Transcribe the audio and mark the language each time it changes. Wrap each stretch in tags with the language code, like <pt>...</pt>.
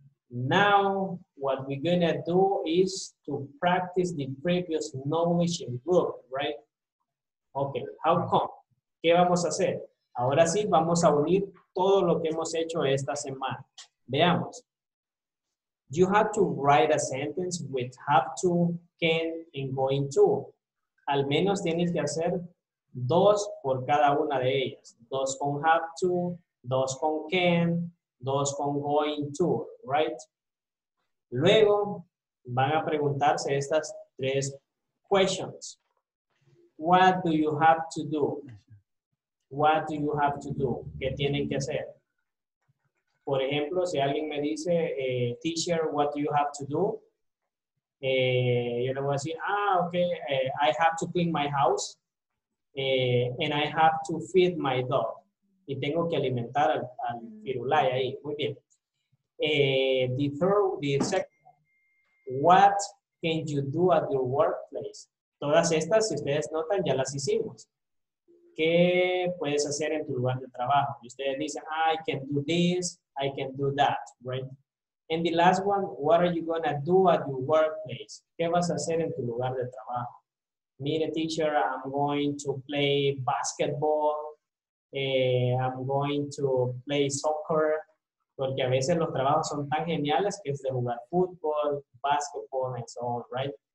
<en>Now, what we're going to do is to practice the previous knowledge in group, right? Okay, how come?</en> <es>¿Qué vamos a hacer? Ahora sí, vamos a unir todo lo que hemos hecho esta semana. Veamos.</es> <en>You have to write a sentence with have to, can, and going to.</en> <es>Al menos tienes que hacer dos por cada una de ellas. Dos con have to, dos con can, dos con going to, right? Luego, van a preguntarse estas tres questions.</es> <en>What do you have to do? What do you have to do?</en> <es>¿Qué tienen que hacer? Por ejemplo, si alguien me dice, teacher,</es> <en>what do you have to do?</en> <es>Yo le voy a decir,</es> <en>ah, okay, I have to clean my house, and I have to feed my dog.</en> <es>Y tengo que alimentar al Firulai ahí. Muy bien.</es> <en>The second, what can you do at your workplace?</en> <es>Todas estas, si ustedes notan, ya las hicimos. ¿Qué puedes hacer en tu lugar de trabajo? Y ustedes dicen,</es> <en>I can do this, I can do that, right? And the last one, what are you going to do at your workplace?</en> <es>¿Qué vas a hacer en tu lugar de trabajo? Mire,</es> <en>teacher, I'm going to play basketball. I'm going to play soccer,</en> <es>porque a veces los trabajos son tan geniales que es de jugar fútbol, basketball, and so on, right?</es>